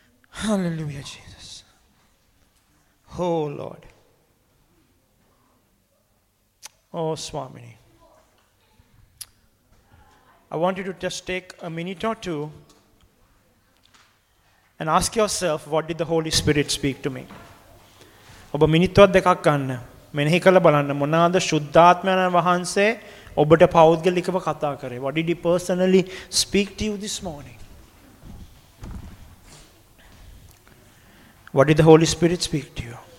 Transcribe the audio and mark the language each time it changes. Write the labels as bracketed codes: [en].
[en] Hallelujah, Jesus. Oh, Lord. Oh, Swamini. I want you to just take a minute or two and ask yourself, what did the Holy Spirit speak to me? [si] ඔබ මිනිත්තුවක් දෙකක් ගන්න. මෙනෙහි කරලා බලන්න මොනවාද ශුද්ධාත්මයන් වහන්සේ ඔබට පෞද්ගලිකව කතා කරේ. [en] What did he personally speak to you this morning? What did the Holy Spirit speak to you?